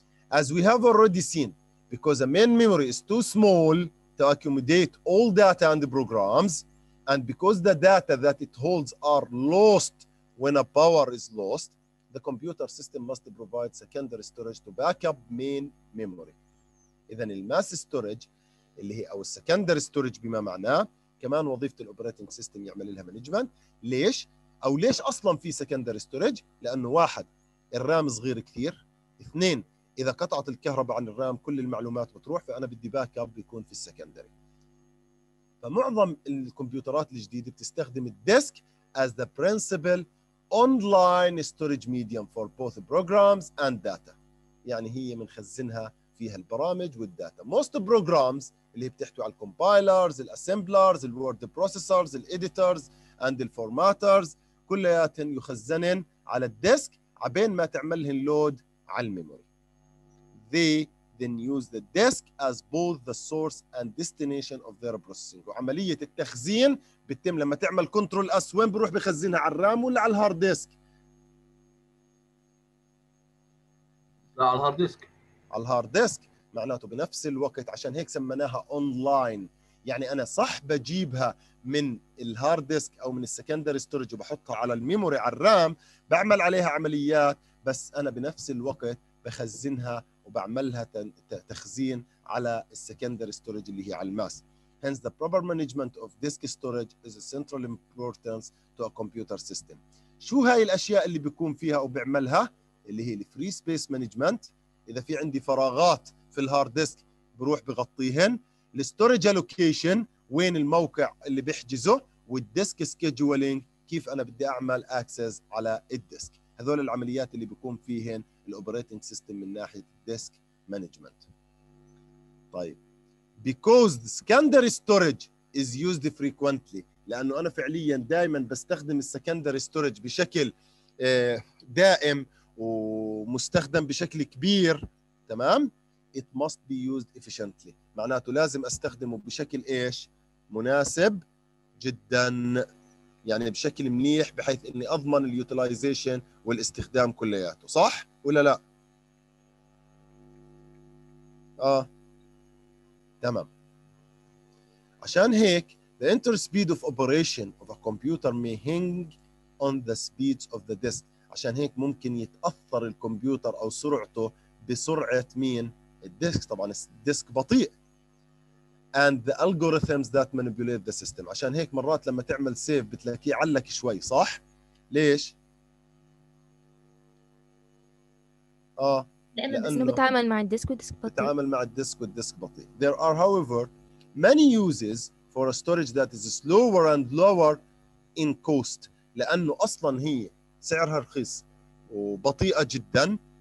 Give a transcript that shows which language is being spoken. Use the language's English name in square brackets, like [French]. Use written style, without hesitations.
[English] As we have already seen, because a main memory is too small to accommodate all data and the programs, and because the data that it holds are lost when a power is lost, the computer system must provide secondary storage to back up main memory. [Arabic] إذن الماس ستورج اللي هي أو السكندري ستورج بما معناه، كمان وظيفة الأوبريتنج سيستم يعمل لها مانجمنت. ليش؟ أو ليش أصلاً في سكندري ستورج؟ لأنه واحد الرام صغير كثير، اثنين إذا قطعت الكهرباء عن الرام كل المعلومات بتروح، فأنا بدي باك اب بيكون في السكندري. فمعظم الكمبيوترات الجديدة بتستخدم الديسك [English] as the principal online storage medium for both programs and data، [Arabic] يعني هي منخزنها فيها البرامج والداتا. [English] most programs [Arabic] اللي بتحتوي على الكومبايلرز، الاسمبلرز، الوورد بروسيسرز، الايديترز اند الفورماترز، كلياتهم يخزنن على الديسك عبين ما تعملهن لود على الميموري. [English] They then use the disk as both the source and destination of their processing. [Arabic] وعملية التخزين بتتم لما تعمل Control S، وين بروح بخزينها، على الرام ولا على الهارد ديسك؟ لا، على الهارد ديسك. على الهارد ديسك، معناته بنفس الوقت عشان هيك سميناها أونلاين. يعني أنا صح بجيبها من الهارد ديسك أو من السكندري ستورج وبحطها على الميموري على الرام، بعمل عليها عمليات، بس أنا بنفس الوقت بخزنها وبعملها تخزين على السكندري ستورج اللي هي على الماس. [English] Hence the proper management of disk storage is a central importance to a computer system. [Arabic] شو هاي الأشياء اللي بيكون فيها وبعملها؟ اللي هي [English] free space management. [Arabic] إذا في عندي فراغات في الهارد ديسك بروح بغطيهن. الستورج allocation وين الموقع اللي بيحجزه. والديسك scheduling كيف أنا بدي أعمل access على الديسك. هذول العمليات اللي بيكون فيهن الoperating system من ناحية [English] disk management. [Arabic] طيب. [English] Because the secondary storage is used frequently. [Arabic] لأنه أنا فعلياً دائماً بستخدم secondary storage بشكل دائم ومستخدم بشكل كبير. تمام؟ [English] It must be used efficiently. [Arabic] معناته لازم أستخدمه بشكل إيش؟ مناسب جداً. يعني بشكل منيح بحيث أني أضمن الـ utilization والاستخدام كلياته. صح؟ ولا لا؟ تمام. عشان هيك [English] the inter speed of operation of a computer may hang on the speeds of the disk. [Arabic] عشان هيك ممكن يتأثر الكمبيوتر أو سرعته بسرعة مين؟ الديسك. طبعا الديسك بطيء. [English] And the algorithms that manipulate the system. [Arabic] عشان هيك مرات لما تعمل save بتلاقيه علك شوي. صح؟ ليش؟ لأنه بتعامل مع الديسك والديسك بطيء. بتعامل مع الديسك والديسك بطيء. [English] There are however many uses for a storage that is slower and lower in cost. [Arabic] لأنه أصلاً هي سعرها رخيص وبطيئة جداً.